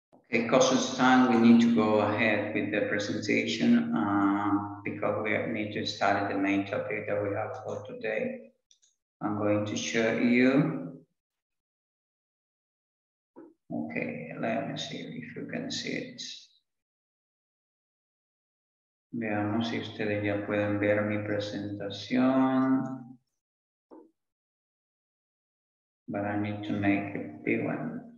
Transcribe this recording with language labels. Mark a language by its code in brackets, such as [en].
[en] Because it's time, we need to go ahead with the presentation because we need to start the main topic that we have for today. I'm going to show you. Okay, let me see if you can see it. [es] Veamos si ustedes ya pueden ver mi presentación. [en] But I need to make it big one.